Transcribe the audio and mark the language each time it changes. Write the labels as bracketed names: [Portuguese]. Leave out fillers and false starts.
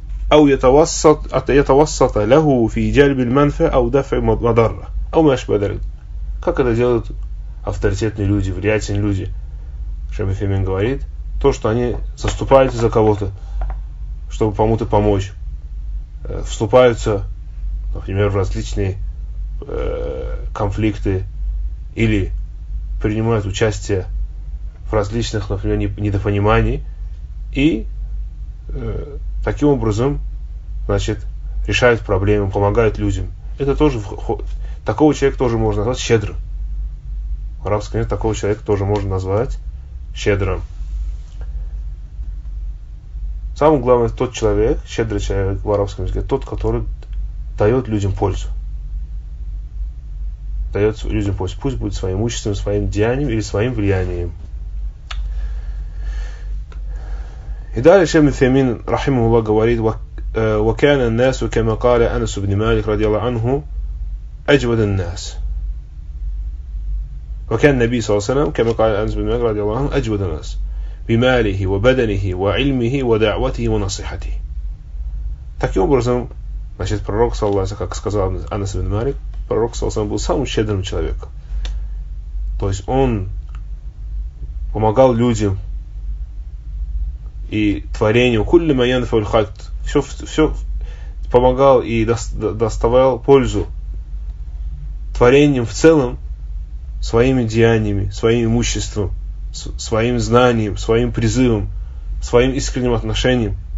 [Arabic] أو يتوسط له في جلب المنفع أو دفع مضرة أو ما أشبه ذلك. [Russian] Как это делают авторитетные люди, влиятельные люди? Шейх Мухаммед говорит, то, что они заступаются за кого-то, чтобы кому-то помочь, вступаются, например, в различные конфликты или принимают участие в различных, например, недопониманиях и таким образом, значит, решают проблемы, помогают людям. Это тоже такого человека тоже можно назвать щедрым. В арабском языке такого человека тоже можно назвать щедрым. Самое главное, тот человек, щедрый человек в арабском языке, тот, который дает людям пользу. Дает людям пользу. Пусть будет своим имуществом, своим деянием или своим влиянием. И далее Шейх Мухаммед рахимахуллах говорит, [Arabic] وكان الناس كما قال أنس بن مالك رضي الله عنه أجود الناس وكان النبي صلى الله عليه وسلم كما قال أنس بن مالك رضي الله عنه أجود الناس بماله وبدنه وعلمه ودعوته ونصيحته. [Russian] Таким образом, значит, пророк صلى الله عليه وسلم, как сказал Анас бин Малик, пророк صلى الله عليه وسلم был самым щедрым человеком. То есть он помогал людям и творению. [Arabic] كل ما ينفع الخلق. [Russian] Все помогал и доставал пользу творением в целом своими деяниями, своим имуществом, своим знанием, своим призывом, своим искренним отношением.